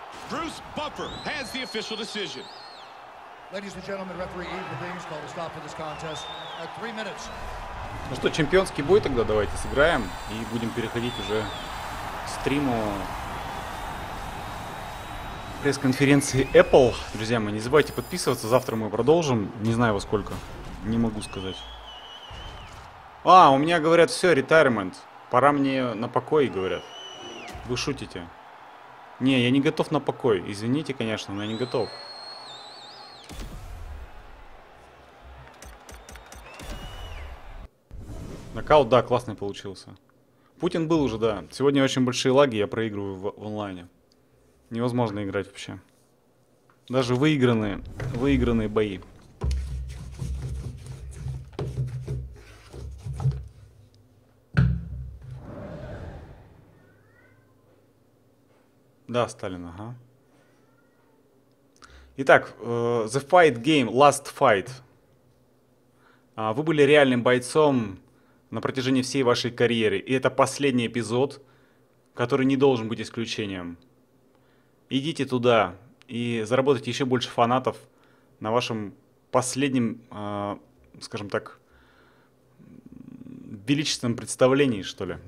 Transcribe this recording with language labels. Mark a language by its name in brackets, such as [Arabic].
[English] Bruce Buffer has the official decision. Ladies and gentlemen, referee Eve Levine called a stop for this contest at 3 minutes. [Russian] Ну что, чемпионский бой тогда давайте сыграем и будем переходить уже к стриму пресс-конференции Apple. Друзья мои, не забывайте подписываться, завтра мы продолжим. Не знаю во сколько, не могу сказать. А, у меня говорят, все, retirement. Пора мне на покой, говорят. Вы шутите? Не, я не готов на покой. Извините, конечно, но я не готов. Нокаут, да, классный получился. Путин был уже, да. Сегодня очень большие лаги, я проигрываю в онлайне. Невозможно играть вообще. Даже выигранные бои. Да, Сталин, ага. Итак, The Fight Game, Last Fight. Вы были реальным бойцом на протяжении всей вашей карьеры. И это последний эпизод, который не должен быть исключением. Идите туда и заработайте еще больше фанатов на вашем последнем, скажем так, величественном представлении, что ли.